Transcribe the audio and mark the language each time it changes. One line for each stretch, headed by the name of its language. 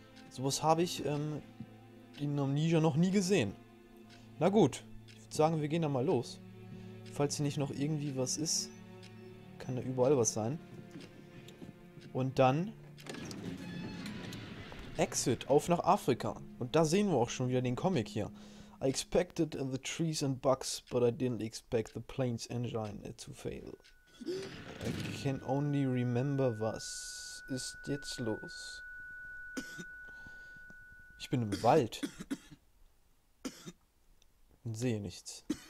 German: Sowas habe ich in Amnesia noch nie gesehen. Na gut, ich würde sagen, wir gehen da mal los. Falls hier nicht noch irgendwie was ist, kann da überall was sein. Und dann Exit, auf nach Afrika. Und da sehen wir auch schon wieder den Comic hier.
English: I expected the trees and bugs, but I didn't expect the plane's engine to fail. I can only remember,
German: was ist jetzt los? Ich bin im Wald und sehe nichts.